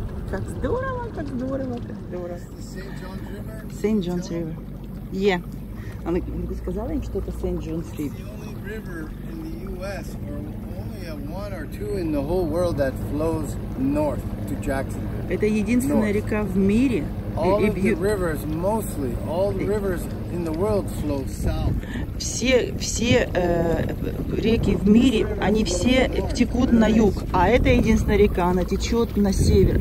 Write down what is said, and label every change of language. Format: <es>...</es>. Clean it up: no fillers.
<ru>Как здорово, как здорово, как здорово.</ru> <en>Saint John's River. Yeah.</en> <ru>Она сказала им что-то Saint John's River.</ru> <en>It's the only river in the U.S. where only one or two in the whole world that flows north to Jacksonville.</en> <ru>Это единственная north. Река в мире.</ru> <en>All of the rivers, mostly, all the rivers in the world flow south.</en> <ru>Все реки в мире, они все текут на юг, а эта единственная река, она течет на север.</ru>